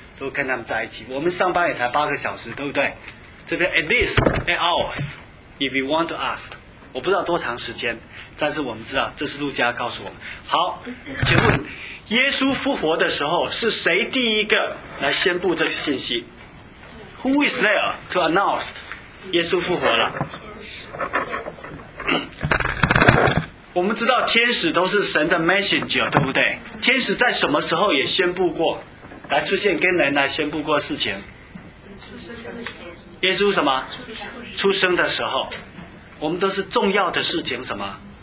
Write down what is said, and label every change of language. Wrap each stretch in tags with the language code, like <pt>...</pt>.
<zh>都跟他们在一起。我们上班也才八个小时，对不对？这边</zh> <en>at least 8 hours if you want to ask，</en> <zh>我不知道多长时间，但是我们知道这是路加告诉我们。好，请问耶稣复活的时候是谁第一个来宣布这个信息？</zh> <en>Who is there to announce</en> <zh>耶稣复活了？我们知道天使都是神的 messenger， 对不对？天使在什么时候也宣布过，来出现跟人来宣布过事情？耶稣什么？出生的时候。我们都是重要的事情什么？</zh>